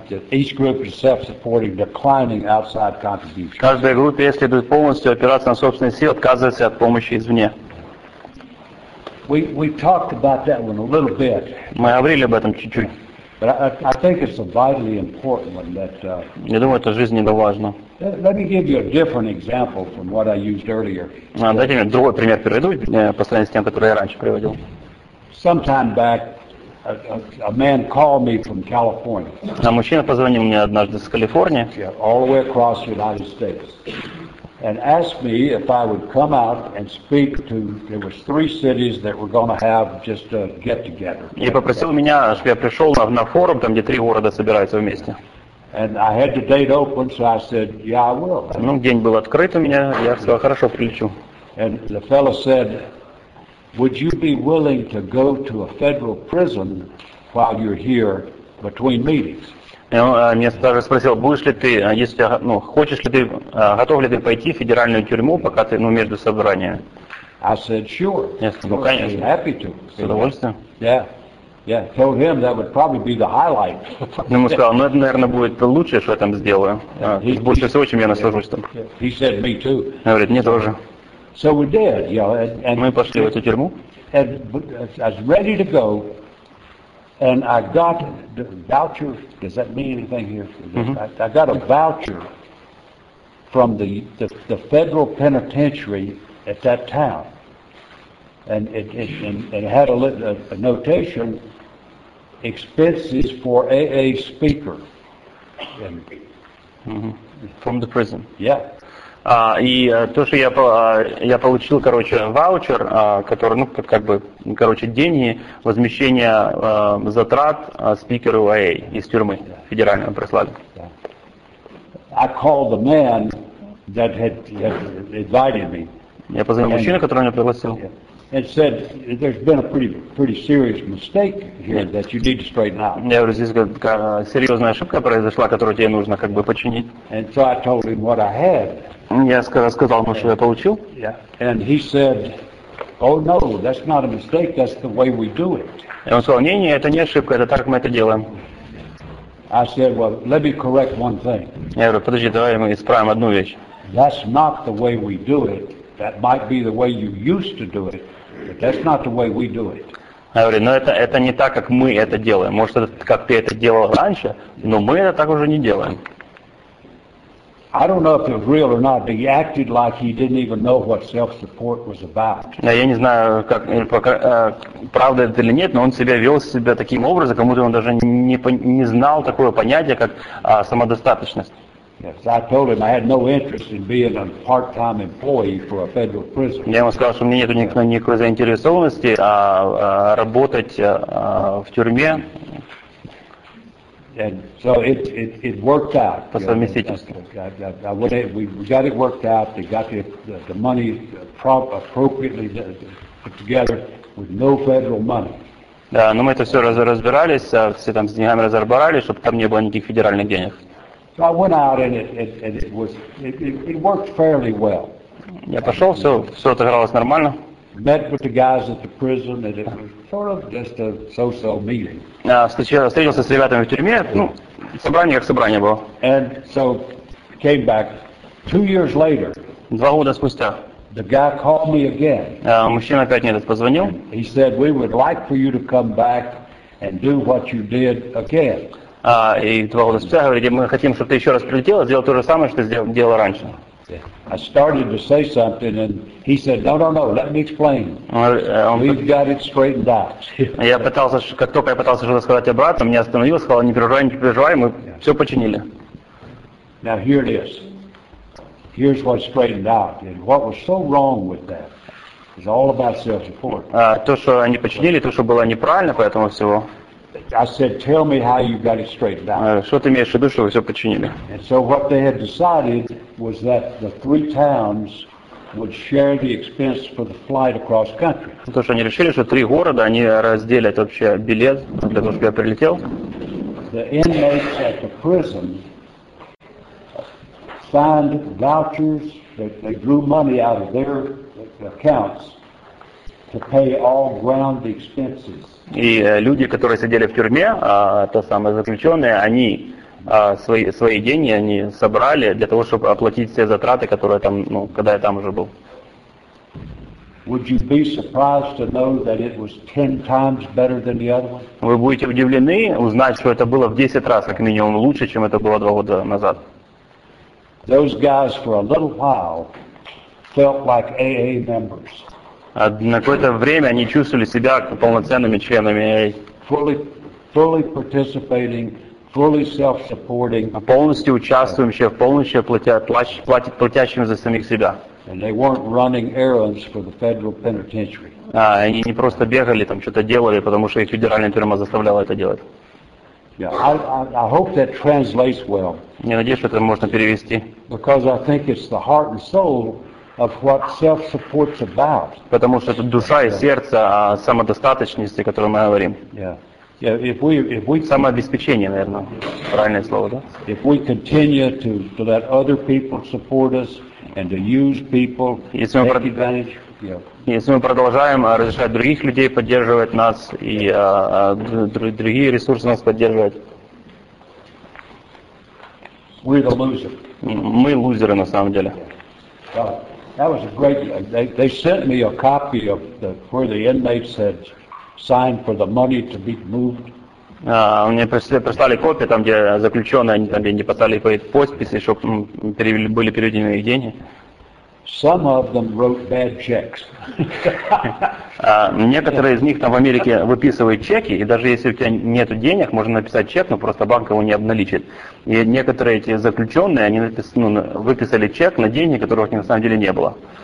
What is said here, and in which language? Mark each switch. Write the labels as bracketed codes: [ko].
[en] Each group is self-supporting, declining outside contributions. [ru] Каждая группа, если будет полностью опираться на собственные силы, отказывается от помощи извне. [en] We talked about that one a little bit. [ru] Мы говорили об этом чуть-чуть. [en] But I think it's a vitally important one that. [ru] Я думаю, это жизненно важно. [en] Let me give you a different example from what I used earlier. [ru] Дайте мне другой пример приведу, по сравнению с тем, который я раньше приводил. [en] Some time back, a man called me from California. [ru] А мужчина позвонил мне однажды с Калифорнии. [en] Yeah, all the way across the United States. And asked me if I would come out and speak to. There was three cities that were going to have just a get together. [ru] И попросил меня, чтобы я пришел на форум, там где три города собираются вместе. [en] And I had the date open, so I said, "Yeah, I will." [ru] Ну, день был открыт у меня, я сказал, хорошо, прилечу. [en] And the fellow said, "Would you be willing to go to a federal prison while you're here between meetings?" [ru] И он мне даже спросил, будешь ли ты, если, ну, хочешь ли ты, готов ли ты пойти в федеральную тюрьму, пока ты, ну, между собраниями. [en] I said, sure. [ru] Я сказал, ну, конечно. [en] I'm happy to. [ru] С удовольствием. [en] Yeah. Told him that would probably be the highlight. [ru] Я ему сказал, ну, это, наверное, будет лучшее, что я там сделаю. Больше всего, чем я наслажусь там. [en] He said, me too. [ru] Он говорит, мне тоже. [en] So we did, you know, and [ru] мы пошли в эту тюрьму. [en] And I was ready to go. And I got the voucher. Does that mean anything here? Mm-hmm. I got a voucher from the federal penitentiary at that town, and it had a notation, expenses for AA speaker. Mm-hmm. From the prison. Yeah. [ru] То, что я получил, короче, ваучер, который, ну, как бы, короче, деньги, возмещение затрат спикеру АА из тюрьмы федерального прислали. [en] I called the man that had invited me. [ru] Я позвонил мужчину, который меня пригласил. [en] And said, there's been a pretty serious mistake here that you need to straighten out. [ru] Я говорю, здесь серьезная ошибка произошла, которую тебе нужно как бы починить. [en] And so I told him what I had. [ru] Я сказал ему, что я получил. [en] Yeah. And he said, oh no, that's not a mistake, that's the way we do it. [ru] И он сказал, не, это не ошибка, это так мы это делаем. [en] I said, well, let me correct one thing. [ru] Я говорю, подожди, давай мы исправим одну вещь. [en] That's not the way we do it. That might be the way you used to do it, but that's not the way we do it. [ru] Я говорю, но это не так, как мы это делаем. Может, это как ты это делал раньше, но мы это так уже не делаем. [en] I don't know if it was real or not, but he acted like he didn't even know what self-support was about. [ru] Да, я не знаю, как правда это или нет, но он себя вел себя таким образом, как будто он даже не знал такое понятие, как самодостаточность. [en] Yes, I told him I had no interest in being a part-time employee for a federal prison. [ru] Я ему сказал, что у меня нету никакой заинтересованности работать в тюрьме. [en] And so it worked out. [ru] По совместительству. [en] We got it worked out. They got the money appropriately put together with no federal money. [ru] Да, но мы это все разбирались, все там с деньгами разобрались, чтобы там не было никаких федеральных денег. [en] So I went out and it worked fairly well. [ru] Я пошел, все отыгралось нормально. [en] Met with the guys at the prison and it was sort of just a so-so meeting. [ru] Встретился с ребятами в тюрьме, ну, собрание как собрание было. [en] And so came back 2 years later. [ru] 2 года спустя. [en] The guy called me again. [ru] Мужчина опять мне этот позвонил. [en] He said, "We would like for you to come back and do what you did again." [ru] И 2 года спустя говорили, мы хотим, чтобы ты еще раз прилетел, сделал то же самое, что делал раньше. [en] I started to say something, and he said, no, let me explain. We've got it straightened out. [ru] Я пытался, как только я пытался что-то сказать обратно, меня остановил, сказал, не переживай, мы все починили. [en] Now here it is. Here's what's straightened out. And what was so wrong with that? It's all about self-support. [ru] То, что они починили, то, что было неправильно, поэтому всего. [en] I said, tell me how you got it straightened out. [ru] Что ты имеешь в виду, что вы все починили? [en] And so what they had decided was that the three towns would share the expense for the flight across country. [ru] То, что они решили, что три города, они разделят вообще билет для того, чтобы я прилетел. [en] The inmates at the prison signed vouchers that they drew money out of their accounts to pay all ground expenses. [ru] И люди, которые сидели в тюрьме, то самое заключенные, они свои деньги они собрали для того, чтобы оплатить все затраты, которые там, ну, когда я там уже был. [en] Would you be surprised to know that it was 10 times better than the other one? [ru] Вы будете удивлены узнать, что это было в 10 раз как минимум лучше, чем это было 2 года назад. [en] Those guys for a little while felt like AA members. [ru] На какое-то время они чувствовали себя полноценными членами AA. [en] Fully participating, fully self-supporting. [ru] Полностью участвующие, полностью платящими за самих себя. [en] And they weren't running errands for the federal penitentiary. [ru] Они не просто бегали там что-то делали, потому что их федеральная тюрьма заставляла это делать. [en] Yeah, I hope that translates well. [ru] Я надеюсь, что это можно перевести. [en] Because I think it's the heart and soul of what self-support's about. [ru] Потому что это душа и сердце самодостаточности, о котором мы говорим. [en] Yeah, if we [ru] самообеспечение, наверное, правильное слово, да? [en] If we continue to let other people support us and to use people to take advantage. [ru] Если мы продолжаем разрешать других людей поддерживать нас и другие ресурсы нас поддерживать. [en] We're the loser. [ru] Мы лузеры на самом деле. [en] That was a great. They sent me a copy of where the inmates had signed for the money to be moved. [ru] Мне прислали копию там, где заключенные, они там деньги поставили по их подписи, чтобы были переведены их деньги. [en] Some of them wrote bad checks. [ru] Некоторые из них там в Америке выписывают чеки, и даже если у тебя нет денег, можно написать чек, но просто банк его не обналичит. И некоторые эти заключенные, они выписали чек на деньги, которых на самом деле не было.